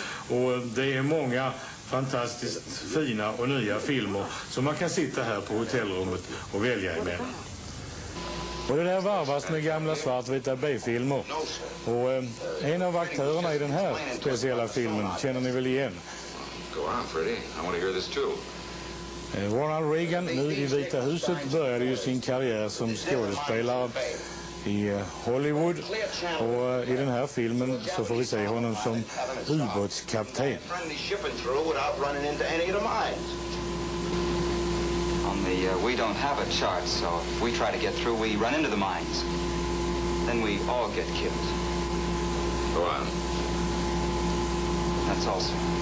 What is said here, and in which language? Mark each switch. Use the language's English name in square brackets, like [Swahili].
[Swedish] Och det är många fantastiskt fina och nya filmer som man kan sitta här på hotellrummet och välja emellan. Och det där varvas med gamla svartvita B-filmer. Och en av aktörerna i den här speciella filmen känner ni väl igen. [English] Go on, Freddy. I want to hear this too. [Swedish] Ronald Reagan, nu i Vita huset, började ju sin karriär som skådespelare i Hollywood. Och i den här filmen så får vi se honom som ubåtskapten. [English] We don't have a chart, so if we try to get through, we run into the mines. Then we all get killed. Go on. That's all, sir.